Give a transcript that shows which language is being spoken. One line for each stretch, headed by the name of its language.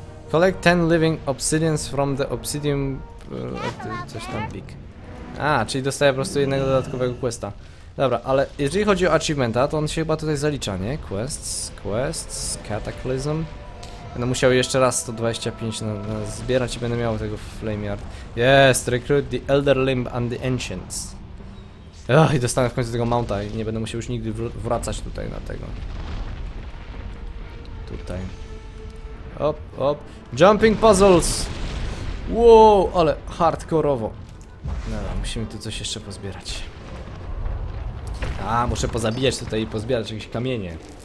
English: Collect 10 living obsidians from the obsidian...
Polish: coś tam
English: big.
Polish: A, czyli dostaję po prostu jednego dodatkowego questa. Dobra, ale jeżeli chodzi o achievementa, to on się chyba tutaj zalicza, nie? Quests, Cataclysm. Będę musiał jeszcze raz 125 na zbierać i będę miał tego Flameyard.
English: Yes, recruit the Elder Limb and the Ancients.
Polish: Ugh, i dostanę w końcu tego mounta i nie będę musiał już nigdy wracać tutaj na tego. Tutaj. Hop, hop.
English: Jumping puzzles!
Polish: Wow, ale hardkorowo. No, musimy tu coś jeszcze pozbierać. A, muszę pozabijać tutaj i pozbierać jakieś kamienie.